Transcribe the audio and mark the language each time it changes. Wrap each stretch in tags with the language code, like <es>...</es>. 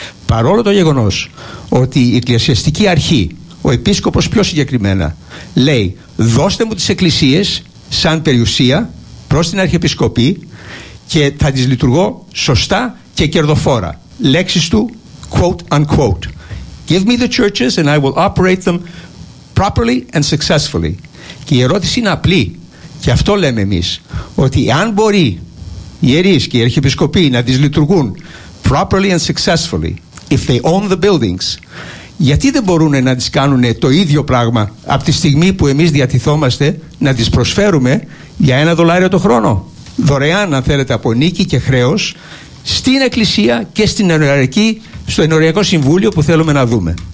<el>Παρόλο το γεγονός ότι η εκκλησιαστική αρχή, ο επίσκοπος πιο συγκεκριμένα, λέει δώστε μου τις εκκλησίες σαν περιουσία προς την Αρχιεπισκοπή και θα τις λειτουργώ σωστά και κερδοφόρα. Λέξεις του, quote unquote.</el> <en>Give me the churches and I will operate them properly and successfully.</en> <el>Και η ερώτηση είναι απλή. Και αυτό λέμε εμείς, ότι αν μπορεί οι ιερείς και οι αρχιεπισκοποί να τις λειτουργούν</el> <en>properly and successfully, if they own the buildings,</en> <el>γιατί δεν μπορούν να τις κάνουν το ίδιο πράγμα από τη στιγμή που εμείς διατηθόμαστε να τις προσφέρουμε για $1 το χρόνο, δωρεάν αν θέλετε από νίκη και χρέος, στην Εκκλησία και στην Ενωριακή, στο Ενωριακό Συμβούλιο που θέλουμε να δούμε.</el>